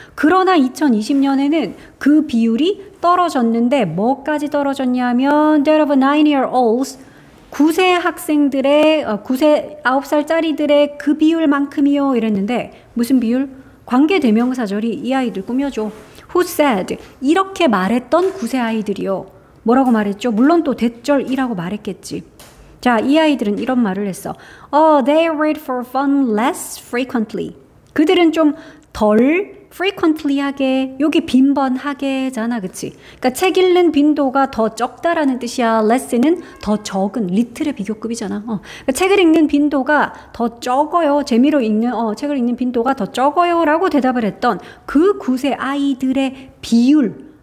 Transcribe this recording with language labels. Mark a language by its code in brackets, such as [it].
[ko] 그러나 2020년에는 그 비율이 떨어졌는데 뭐까지 떨어졌냐면 [en] that of 9-year-olds, [ko] 9세 학생들의, 9세 9살짜리들의 그 비율만큼이요. 이랬는데 무슨 비율? 관계 대명사절이 이 아이들 꾸며줘. [en] Who said? [ko] 이렇게 말했던 9세 아이들이요. 뭐라고 말했죠? 물론 또 대절이라고 말했겠지. 자, 이 아이들은 이런 말을 했어. [en] They read for fun less frequently. [ko] 그들은 좀 덜 frequently 하게, 여기 빈번하게 잖아, 그치? 그러니까 책 읽는 빈도가 더 적다라는 뜻이야. less는 더 적은, little의 비교급이잖아. 그러니까 책을 읽는 빈도가 더 적어요. 재미로 읽는, 책을 읽는 빈도가 더 적어요. 라고 대답을 했던 그 9세 아이들의 비율,